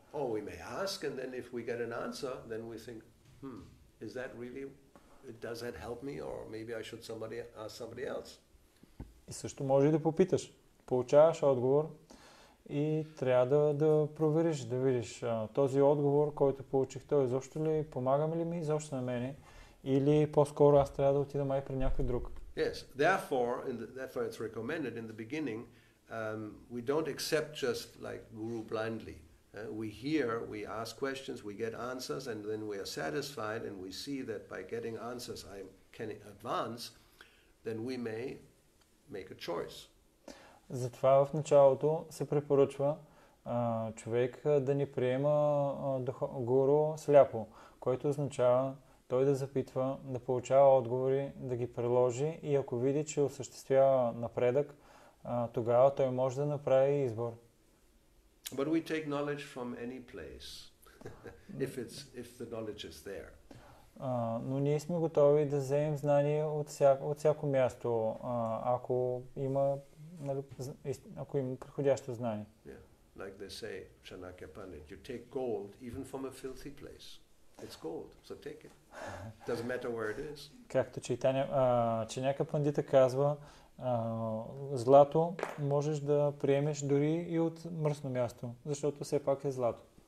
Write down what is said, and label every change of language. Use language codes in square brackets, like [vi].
[en] Oh, we may ask and then if we get an answer, then we think, is that really, does that help me or maybe I should somebody ask somebody else? [bg] И също може да попиташ, получаваш отговор и трябва да провериш, да видиш този отговор, който получих, той изобщо ли, помагаме ли ми изобщо на мене или по-скоро аз трябва да отида май при някой друг. [en] Yes, therefore it's recommended in the beginning, we don't accept just like guru blindly. We hear, we ask questions, we get answers and then we are satisfied and we see that by getting answers I can advance, then we may make a choice. [bg] Затова в началото се препоръчва човек да не приема гуру сляпо, което означава, той да запитва, да получава отговори, да ги приложи и ако види, че осъществява напредък, тогава той може да направи избор. [en] But we take knowledge from any place if the knowledge is there. [bg] Но ние сме готови да вземем знания от всяко място, ако има, ако има приходящо знание. [en] Yeah. Like they say, Chanakya Pandit, you take gold even from a filthy place. It's gold, so take it. Doesn't matter where it is. [bg] Както Чанака Пандита казва, злато можеш да приемеш дори и от мръсно място, защото все пак е злато.